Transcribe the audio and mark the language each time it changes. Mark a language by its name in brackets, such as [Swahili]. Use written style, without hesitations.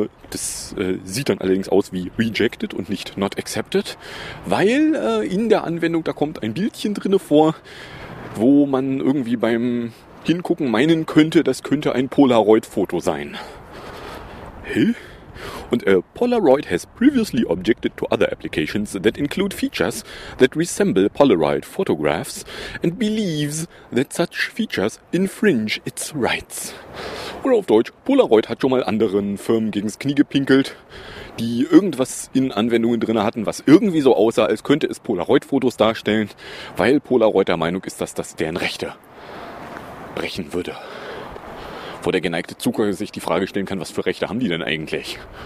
[German] Das sieht dann allerdings aus wie rejected und nicht [English] not accepted, [German] weil in der Anwendung, da kommt ein Bildchen drinne vor, wo man irgendwie beim Hingucken meinen könnte, das könnte ein Polaroid-Foto sein. Hä? [English] Und Polaroid has previously objected to other applications that include features that resemble Polaroid photographs and believes that such features infringe its rights. [German] Oder auf Deutsch, Polaroid hat schon mal anderen Firmen gegens Knie gepinkelt, die irgendwas in Anwendungen drin hatten, was irgendwie so aussah, als könnte es Polaroid-Fotos darstellen, weil Polaroid der Meinung ist, dass das deren Rechte brechen würde. Wo der geneigte Zuhörer sich die Frage stellen kann, was für Rechte haben die denn eigentlich?